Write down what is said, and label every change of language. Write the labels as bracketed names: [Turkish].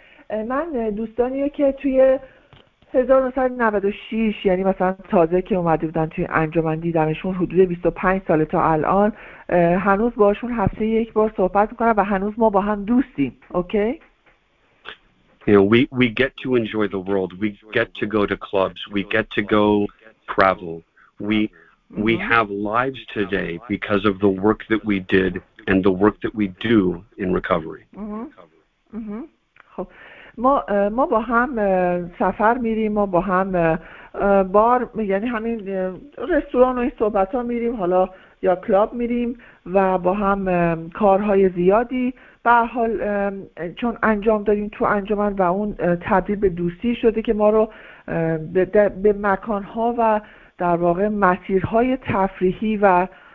[Persian] من دوستانی که توی 1996 یعنی مثلا تازه که اومده بودن توی انجمن دیدمشون حدود 25 سال تا الان هنوز باشون هفته یک بار صحبت میکنم و هنوز ما با هم دوستیم. اوکی؟ [English] You know, we get to enjoy the world. We get to go to clubs. We get to go travel. We have lives today because of the work that we did and the work that we do in recovery. [Persian] ما با هم سفر میریم، ما با هم بار یعنی همین رستوران و این صحبت ها میریم، حالا یا کلاب میریم و با هم کارهای زیادی به هر حال چون انجام دادیم تو انجمن و اون تبدیل به دوستی شده که ما رو به مکان ها و در واقع مسیرهای تفریحی و